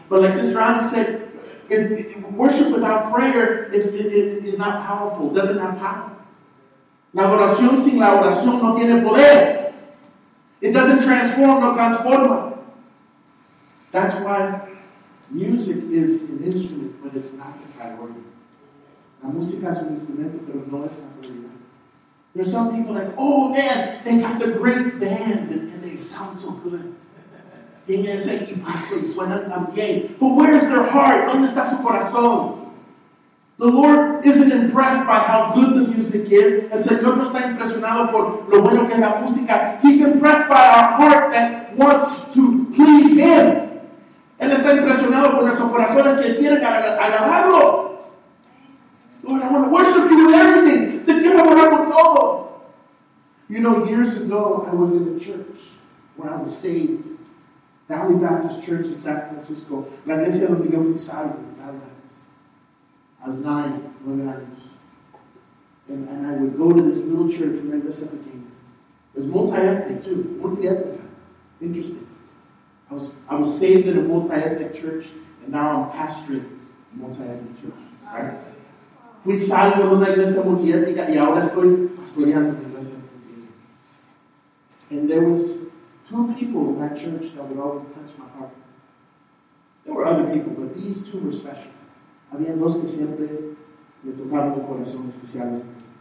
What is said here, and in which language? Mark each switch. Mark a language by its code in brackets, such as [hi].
[en] But like Sister Anna said, worship without prayer is not powerful. Doesn't have power. [es] La adoración sin la oración no tiene poder. [en] It doesn't transform, no transforma. That's why music is an instrument, but it's not the priority. [es] La música es un instrumento, pero no es la prioridad. [en] There's some people like, oh man, they got the great band and they sound so good. [es] Tienen ese equipazo y suenan tan bien. [en] But where is their heart? [es] ¿Dónde está su corazón? [en] The Lord isn't impressed by how good the music is. [es] El Señor no está impresionado por lo bueno que es la música. [en] He's impressed by our heart that wants to please Him. [es] Él está impresionado por nuestro corazón que quiere agradarlo. [en] Lord, I want to worship You with everything. [es] Te quiero adorar con todo. [en] You know, years ago, I was in a church when I was saved. Valley Baptist Church in San Francisco. [es] La iglesia donde yo fui salvo. [en] I was 9 years. And I would go to this little church when I was up again. It was multi-ethnic too. Multi-ethnic. Interesting. I was saved in a multi-ethnic church, and now I'm pastoring a multi-ethnic church. Right? [es] Fui salvo de una iglesia multi-ethnic, y ahora estoy pastoreando una iglesia multi-ethnic. [en] And there was two people in that church that would always touch my heart. There were other people, but these two were special. [es] Habían dos que siempre me tocaron el corazón especialmente.